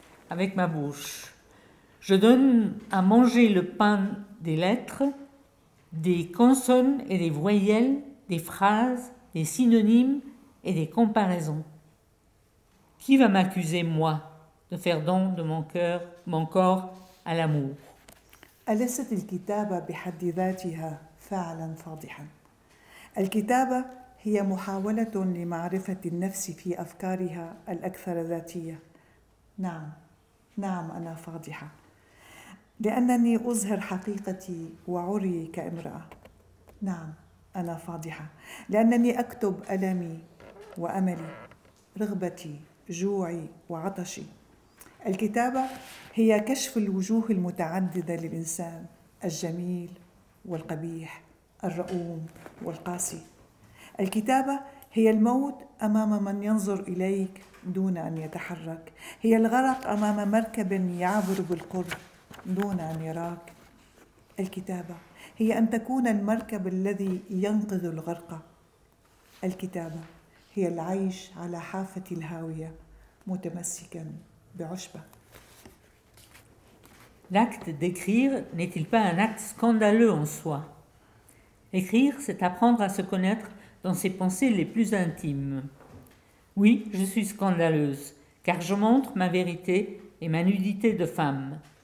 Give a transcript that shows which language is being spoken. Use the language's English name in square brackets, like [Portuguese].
[French] Avec ma bouche. Je donne à manger le pain des lettres, des consonnes et des voyelles, des phrases, des synonymes et des comparaisons. Qui va m'accuser, moi, de faire don de mon cœur, mon corps, à l'amour ? [Arabic] أليست الكتابة بحد ذاتها فعلا فاضحا. الكتابة هي محاولة لمعرفة النفس في أفكارها الأكثر ذاتية. نعم. نعم أنا فاضحة لأنني أظهر حقيقتي وعري كامرأة نعم أنا فاضحة لأنني أكتب ألمي وأملي رغبتي جوعي وعطشي الكتابة هي كشف الوجوه المتعددة للإنسان الجميل والقبيح الرؤوم والقاسي الكتابة هي الموت أمام من ينظر إليك دون أن يتحرك هي الغرق أمام مركب يعبر بالقرب دون أن يراك الكتابة هي أن تكون المركب الذي ينقذ الغرق الكتابة هي العيش على حافة الهاوية متمسكا بعشبة [French] L'acte d'écrire n'est-il pas un acte scandaleux en soi? Écrire, c'est apprendre à se connaître dans ses pensées les plus intimes. Oui, je suis scandaleuse, car je montre ma vérité et ma nudité de femme.